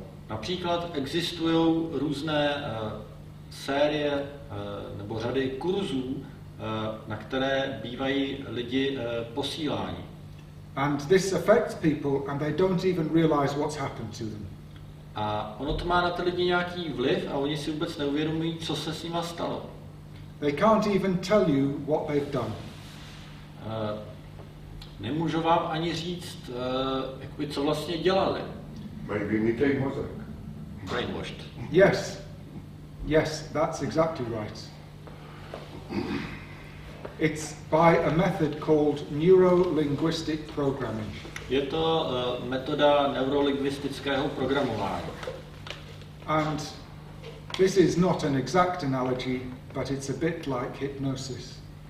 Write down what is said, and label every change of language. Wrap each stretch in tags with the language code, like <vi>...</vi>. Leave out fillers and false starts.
<cs>Například existují různé série nebo řady kurzů, na které bývají lidi posíláni.</cs> <en>And this affects people and they don't even realize what's happened to them.</en> <cs>A ono to má na ty lidi nějaký vliv a oni si vůbec neuvědomují, co se s nima stalo.</cs> <en>They can't even tell you what they've done.</en> <cs>Nemůžu vám ani říct, jakoby, co vlastně dělali.</cs> <en>Maybe</en> <cs>mítej mozek.</cs> <en>Brainwashed. Yes. Yes, that's exactly right. It's by a method called neuro-linguistic programming.</en> <cs>Je to metoda neurolingvistického programování.</cs> <en>And this is not an exact analogy, but it's a bit like hypnosis.</en>